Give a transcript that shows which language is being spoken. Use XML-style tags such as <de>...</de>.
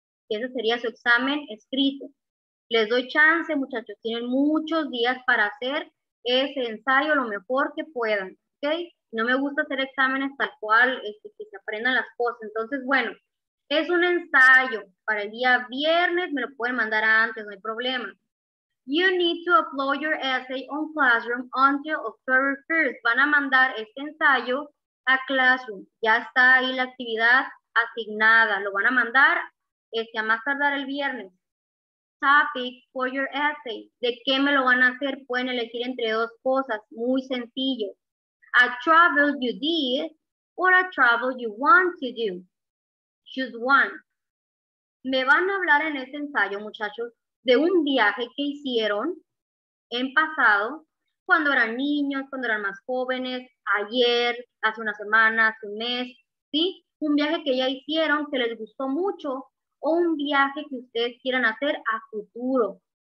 <es>Ese sería su examen escrito. Les doy chance, muchachos. Tienen muchos días para hacer ese ensayo lo mejor que puedan, ¿ok? No me gusta hacer exámenes tal cual, que se aprendan las cosas. Entonces, bueno, es un ensayo. Para el día viernes me lo pueden mandar antes, no hay problema.</es> <en>You need to upload your essay on Classroom until October 1st.</en> <es>Van a mandar este ensayo a Classroom. Ya está ahí la actividad asignada. Lo van a mandar a más tardar el viernes. Topic for your essay. ¿De qué me lo van a hacer? Pueden elegir entre dos cosas. Muy sencillo.</es> <en>A travel you did or a travel you want to do. Choose one.</en> <es>Me van a hablar en este ensayo, muchachos, de un viaje que hicieron en pasado, cuando eran niños, cuando eran más jóvenes, ayer, hace una semana, hace un mes, ¿sí? Un viaje que ya hicieron, que les gustó mucho, o un viaje que ustedes quieran hacer a futuro.</es>